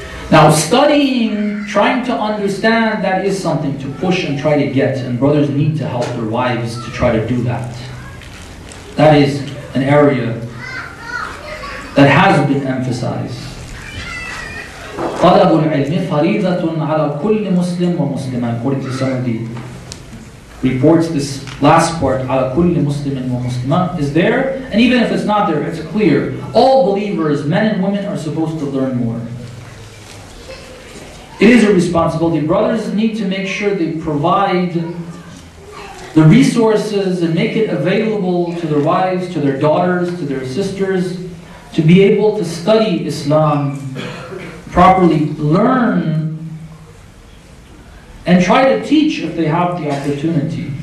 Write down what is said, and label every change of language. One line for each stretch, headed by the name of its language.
English: Now studying, trying to understand, that is something to push and try to get, and brothers need to help their wives to try to do that. That is an area that has been emphasized.
Arabic: طلب العلم فريضة على كل مسلم ومسلمة.
English: According to some of the reports, this last part,
Arabic: على كل مسلم ومسلمة,
English: is there. And even if it's not there, it's clear. All believers, men and women, are supposed to learn more. It is a responsibility. Brothers need to make sure they provide the resources and make it available to their wives, to their daughters, to their sisters, to be able to study Islam properly, learn, and try to teach if they have the opportunity.